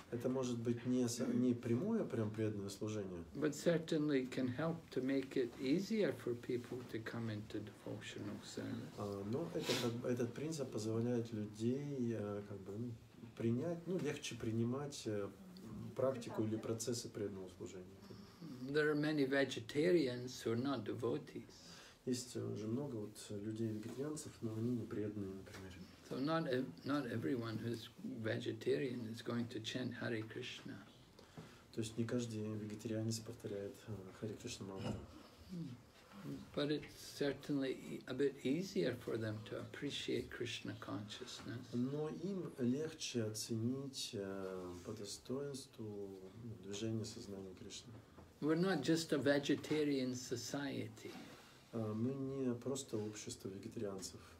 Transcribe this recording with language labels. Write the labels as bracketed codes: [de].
[ru] Это может быть не прямое, прям преданное служение. [en] But certainly can help to make it easier for people to come into devotional service. [ru] Но этот принцип позволяет людей как бы принять, ну легче принимать практику или процессы преданного служения. [en] There are many vegetarians who are not devotees. [ru] Есть уже много вот людей вегетарианцев, но они не преданные, например. [en] So not everyone who's vegetarian is going to chant Hare Krishna. [ru] То есть не каждый вегетарианец повторяет Харе Кришна мантру. [en] But it's certainly a bit easier for them to appreciate Krishna consciousness. [ru] Но им легче оценить по достоинству движение сознания Кришны. [en] We're not just a vegetarian society. [ru] Мы не просто общество вегетарианцев.